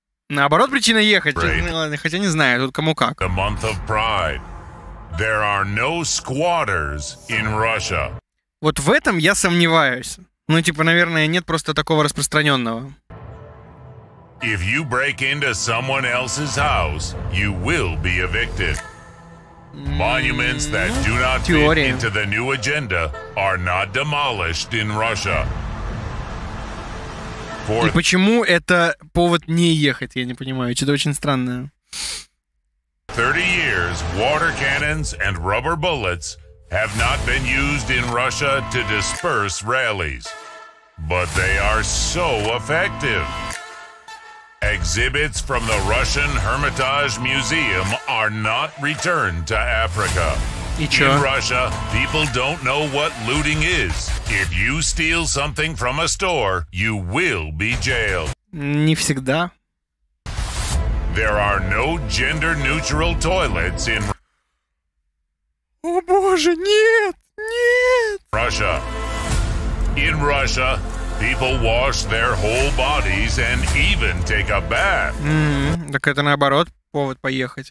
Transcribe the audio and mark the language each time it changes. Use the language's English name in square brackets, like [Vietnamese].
[Russian] Наоборот, причина ехать. [English] Break. [Russian] Хотя не знаю, тут кому как. [English] The month of pride. There are no squatters in Russia. [Russian] Вот в этом я сомневаюсь. Ну, типа, наверное, нет просто такого распространенного. [English] If you break into someone else's house, you will be evicted. Monuments that do not fit into the new agenda are not demolished in Russia. For... [Russian] И почему это повод не ехать, я не понимаю. Что-то очень странное. [English] 30 years, water cannons and rubber bullets have not been used in Russia to disperse rallies. But they are so effective. Exhibits from the Russian Hermitage Museum are not returned to Africa. In Russia, people don't know what looting is. If you steal something from a store, you will be jailed. [Russian] Не всегда. [English] There are no gender-neutral toilets in... [Russian] О боже, нет! Нет! [English] Russia. In Russia... People wash their whole bodies and even take a bath. [Russian] Так это наоборот повод поехать.